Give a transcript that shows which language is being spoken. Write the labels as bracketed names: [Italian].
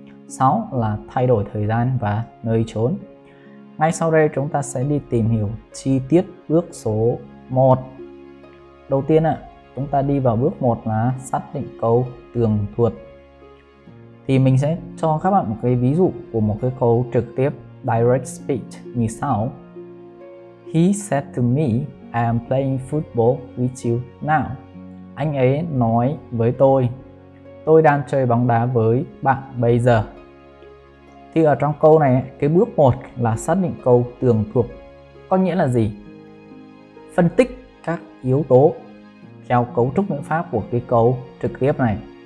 [Vietnamese] 6 là thay đổi thời gian và nơi chốn. Ngay sau đây chúng ta sẽ đi tìm hiểu chi tiết bước số 1. Đầu tiên chúng ta đi vào bước 1 là xác định câu tường thuật. Thì mình sẽ cho các bạn một cái ví dụ của một cái câu trực tiếp direct speech như sau. [English] He said to me, I am playing football with you now. [Vietnamese] Anh ấy nói với tôi đang chơi bóng đá với bạn bây giờ. Thì ở trong câu này, cái bước 1 là xác định câu tường thuật. Có nghĩa là gì? Phân tích các yếu tố theo cấu trúc ngữ pháp của cái câu trực tiếp này.